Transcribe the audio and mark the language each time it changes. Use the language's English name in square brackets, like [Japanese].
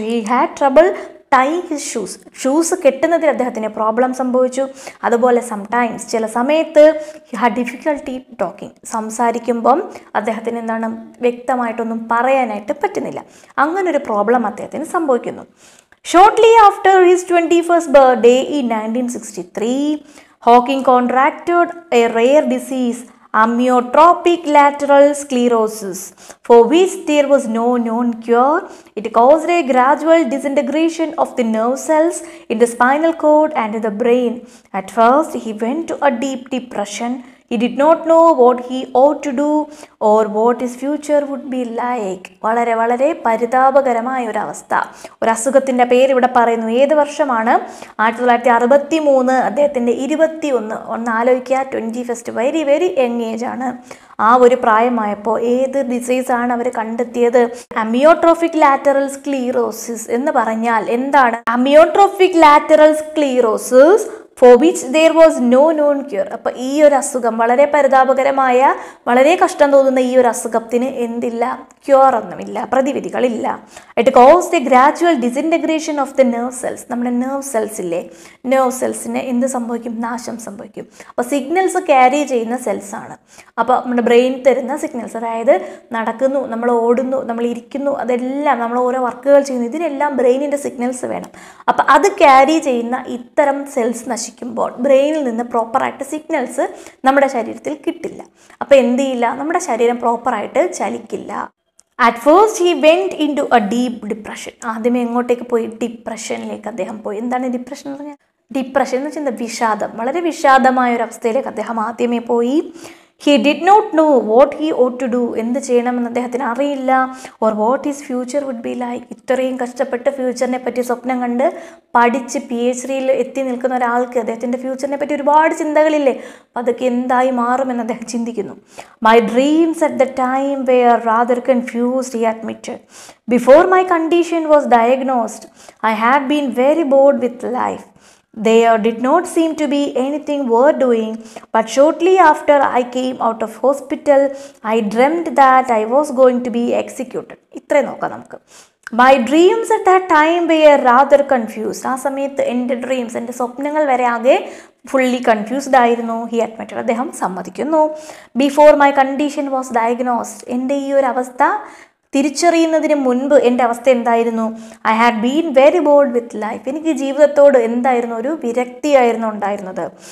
[English] He had trouble tying his shoes. [Malayalam] Shoes കെട്ടുന്നതിൽ അദ്ദേഹത്തിന് problem സംഭവിച്ചു. അതുപോലെ സംടൈംസ് ചില സമയത്ത് [English] he had difficulty talking, [Malayalam] സംസാരിക്കുമ്പം അദ്ദേഹത്തിന് എന്താണ് വ്യക്തമായിട്ടൊന്നും പറയാനായിട്ട് പറ്റുന്നില്ല. അങ്ങനൊരു പ്രോബ്ലം അദ്ദേഹത്തിന് സംഭവിക്കുന്നു. [English] Shortly after his 21st birthday in 1963, Hawking contracted a rare disease, amyotrophic lateral sclerosis, for which there was no known cure. It caused a gradual disintegration of the nerve cells in the spinal cord and the brain. At first, he went to a deep depression. He did not know what he ought to do or what his future would be like. [Malayalam] വളരെ വളരെ പരിതാപകരമായ ഒരു അവസ്ഥ. ഒരു അസുഖത്തിൻ്റെ പേര് ഇവിടെ പറയുന്നു. ഏത് വർഷമാണ്? 1963. അദ്ദേഹത്തിൻ്റെ 21, ഒന്ന് ആലോചിക്കുക, 21st, very very young age ആണ്. ആ ഒരു പ്രായമായപ്പോൾ ഏത് ഡിസീസാണ് അവർ കണ്ടെത്തിയത്? അമിയോട്രോഫിക് ലാറ്ററൽ സ്ക്ലീറോസിസ് എന്ന് പറഞ്ഞാൽ എന്താണ്? [English] Amyotrophic lateral sclerosis for which there was no known cure. [Malayalam] അപ്പോൾ ഈ ഒരു അസുഖം, വളരെ പരിതാപകരമായ, വളരെ കഷ്ടം തോന്നുന്ന ഈ ഒരു അസുഖത്തിന് എന്തില്ല? ക്യൂറൊന്നുമില്ല, പ്രതിവിധികളില്ല. [English] It cause the gradual disintegration of the nerve cells. [Malayalam] നമ്മുടെ നെർവ് സെൽസ് ഇല്ലേ, നെർവ് സെൽസിന് എന്ത് സംഭവിക്കും? നാശം സംഭവിക്കും. അപ്പോൾ സിഗ്നൽസ് ക്യാരി ചെയ്യുന്ന സെൽസാണ്. അപ്പോൾ നമ്മുടെ ബ്രെയിൻ തരുന്ന സിഗ്നൽസ്, അതായത് നടക്കുന്നു, നമ്മൾ ഓടുന്നു, നമ്മൾ ഇരിക്കുന്നു, അതെല്ലാം നമ്മൾ ഓരോ വർക്കുകൾ ചെയ്യുന്നു, ഇതിനെല്ലാം ബ്രെയിനിൻ്റെ സിഗ്നൽസ് വേണം. അപ്പോൾ അത് ക്യാരി ചെയ്യുന്ന ഇത്തരം സെൽസ് നശിക്കുമ്പോൾ ബ്രെയിനിൽ നിന്ന് പ്രോപ്പറായിട്ട് സിഗ്നൽസ് നമ്മുടെ ശരീരത്തിൽ കിട്ടില്ല. അപ്പോൾ എന്ത് ചെയ്യില്ല? നമ്മുടെ ശരീരം പ്രോപ്പറായിട്ട് ചലിക്കില്ല. [English] At first, he went into a deep depression. [Malayalam] ആദ്യമേ എങ്ങോട്ടേക്ക് പോയി? ഡിപ്രഷനിലേക്ക് അദ്ദേഹം പോയി. എന്താണ് ഡിപ്രഷൻ എന്ന് പറഞ്ഞാൽ? ഡിപ്രഷൻ എന്ന് വെച്ചാൽ വിഷാദം, വളരെ വിഷാദമായ ഒരു അവസ്ഥയിലേക്ക് അദ്ദേഹം ആദ്യമേ പോയി. [English] he did not know what he ought to do, [Malayalam] എന്ത് ചെയ്യണമെന്ന് അദ്ദേഹത്തിന് അറിയില്ല. [English] or what his future would be like, [Malayalam] ഇത്രയും കഷ്ടപ്പെട്ട് ഫ്യൂച്ചറിനെ പറ്റി സ്വപ്നം കണ്ട് പഠിച്ച് പി എച്ച് ഡിയിൽ എത്തി നിൽക്കുന്ന ഒരാൾക്ക് അദ്ദേഹത്തിൻ്റെ ഫ്യൂച്ചറിനെ പറ്റി ഒരുപാട് ചിന്തകളില്ലേ? അപ്പോൾ അതൊക്കെ എന്തായി മാറുമെന്ന് അദ്ദേഹം ചിന്തിക്കുന്നു. [English] My dreams at the time were rather confused, he admitted. Before my condition was diagnosed, I had been very bored with life. They did not seem to be anything worth doing, but shortly after I came out of hospital, I dreamt that I was going to be executed. [Malayalam] ഇത്രേ നോക്കാം നമുക്ക്. [English] My dreams at that time were rather confused. [Malayalam] ആ സമയത്ത് എൻ്റെ dreams, എൻ്റെ സ്വപ്നങ്ങൾ വരെ ആകെ ഫുള്ളി കൺഫ്യൂസ്ഡ് ആയിരുന്നു. [English] he admitted, [Malayalam] അദ്ദേഹം സമ്മതിക്കുന്നു. [English] before my condition was diagnosed, [Malayalam] എൻ്റെ ഈ ഒരു അവസ്ഥ തിരിച്ചറിയുന്നതിന് മുൻപ് എൻ്റെ അവസ്ഥ എന്തായിരുന്നു? [English] I had been very bored with life, [Malayalam] എനിക്ക് ജീവിതത്തോട് എന്തായിരുന്നു ഒരു വിരക്തിയായിരുന്നു ഉണ്ടായിരുന്നത്.